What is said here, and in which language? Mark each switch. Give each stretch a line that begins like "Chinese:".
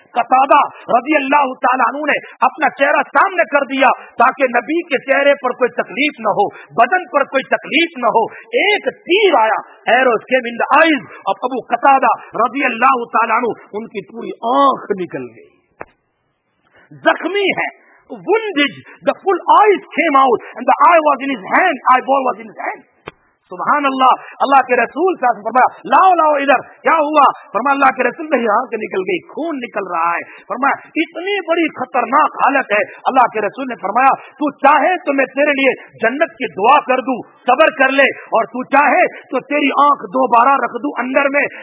Urdu: قتادہ رضی اللہ تعالیٰ عنہ نے اپنا چہرہ سامنے کر دیا تاکہ نبی کے چہرے پر کوئی تکلیف نہ ہو, بدن پر کوئی تکلیف نہ ہو. ایک تیر آیا,
English: arrows came in the eyes of
Urdu: ابو قتادہ رضی اللہ تعالیٰ عنہ, ان کی پوری آنکھ نکل گئی, زخمی ہے.
English: Wounded, the full eyes came out and the eye was in his hand, eyeball was in his hand.
Urdu: سبحان اللہ, اللہ کے رسول صلی اللہ علیہ وسلم فرمایا لاؤ لاؤ ادھر, کیا ہوا؟ فرمایا اللہ کے رسول نے یہاں سے نکل گئی, خون نکل رہا ہے. فرمایا اتنی بڑی خطرناک حالت ہے. اللہ کے رسول نے فرمایا تو چاہے تو میں تیرے لیے جنت کی دعا کر دوں, صبر کر لے, اور تو چاہے تو تیری آنکھ دوبارہ رکھ دوں اندر میں.